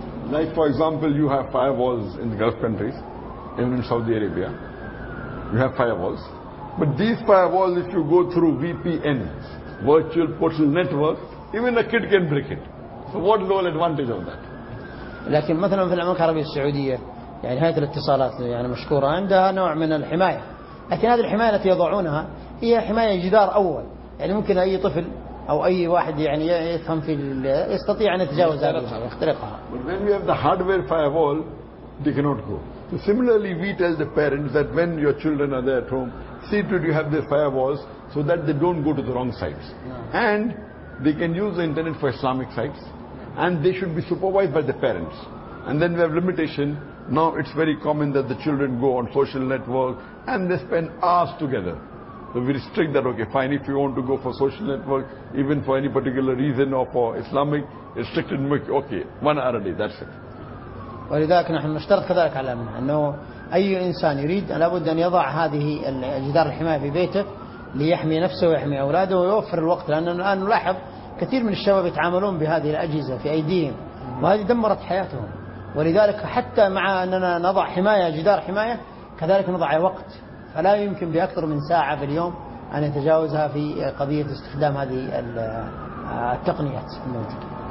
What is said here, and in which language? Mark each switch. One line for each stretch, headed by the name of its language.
English: Like for example, you have firewalls in the Gulf countries, even in Saudi Arabia, you have firewalls. But these firewalls, if you go through VPN, virtual personal network, even a kid can break it. So what is the whole advantage of that?
Arabic: لكن مثلا في المملكة العربية السعودية يعني هيئة الاتصالات يعني مشكورة عندها نوع من الحماية لكن هذه الحماية التي يضعونها هي حماية جدار أول يعني ممكن أي طفل أو أي واحد يعني يفهم في يستطيع أن يتجاوز ويخترقها.
English: But when you have the hardware firewall, they cannot go. So similarly, we tell the parents that when your children are there at home, see to it you have the firewalls so that they don't go to the wrong sites. And they can use the internet for Islamic sites. And they should be supervised by the parents. And then we have limitation. Now it's very common that the children go on social network and they spend hours together. So we restrict that, okay, fine, if you want to go for social network, even for any particular reason or for Islamic, restricted, okay, 1 hour a day, that's it.
Arabic: ولذلك نحن نشترط كذلك على أنه أي إنسان يريد لابد أن يضع هذه الجدار الحماية في بيته ليحمي نفسه ويحمي أولاده ويوفر الوقت لأننا الآن نلاحظ كثير من الشباب يتعاملون بهذه الأجهزة في أيديهم وهذه دمرت حياتهم ولذلك حتى مع أننا نضع حماية جدار حماية كذلك نضع وقت فلا يمكن بأكثر من ساعة في اليوم أن يتجاوزها في قضية استخدام هذه التقنيات الموجودة.